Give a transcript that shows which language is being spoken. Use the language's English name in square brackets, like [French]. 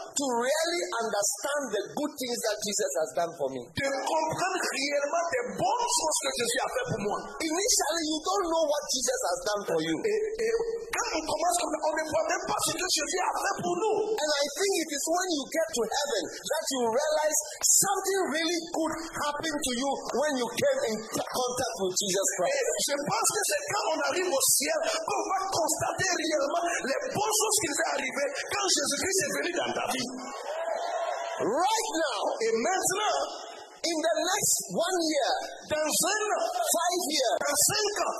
[English] to really understand the good things that Jesus has done for me. [French] De comprendre réellement les bonnes choses que Jésus a fait pour moi. [English] Initially, you don't know what Jesus has done for you. [French] Et quand on commence comme ça, on ne voit même pas ce que Jésus a fait pour nous. [English] And I think it is when you get to heaven that you realize something really good happened to you when you came in contact with Jesus Christ. [French] Et je pense que c'est quand on arrive au ciel qu'on va constater réellement les bonnes choses qui sont arrivées quand Jésus-Christ est venu dans ta vie. [English] Right now, [French] et maintenant, [English] in the next 1 year, [French] dans un an, [English] 5 years, [French] dans 5 ans,